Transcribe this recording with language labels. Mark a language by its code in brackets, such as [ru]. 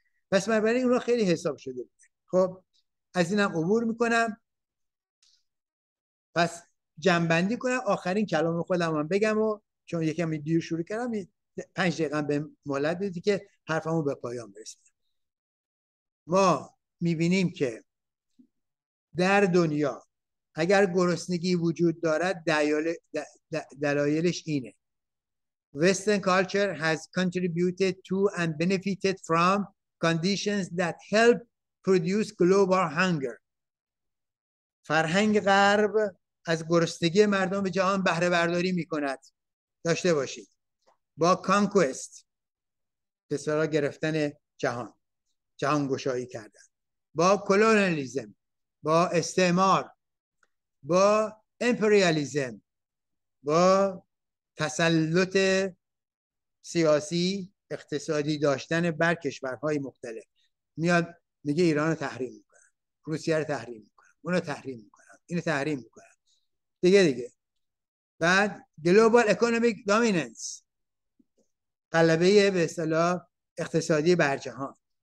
[fa] پس من برای اونا خیلی حساب شده بود. خب از اینم عبور میکنم، پس جنبندی کنم، آخرین کلام خودم هم بگم، و چون یکم دیر شروع کردم 5 دقیقه به مهلت بدید که حرفمو به پایان برسونم. ما میبینیم که در دنیا اگر گرسنگی وجود دارد دلایلش اینه: [en] Western culture has contributed to and benefited from conditions that help produce global hunger. [fa] فرهنگ غرب از گرسنگی مردم جهان بهره برداری میکند. داشته باشید. با conquest، به اصطلاح گرفتن جهان، جهان گشایی کردن. با colonialism، با استعمار، با امپریالیزم، با تسلط سیاسی اقتصادی داشتن بر کشورهای مختلف، میاد میگه ایران رو تحریم میکنم، روسیه رو تحریم میکنم، اون رو تحریم میکنم، این رو تحریم میکنم، دیگه بعد گلوبال اکونومیک دامیننس، غلبه به اصطلاح اقتصادی بر جهان.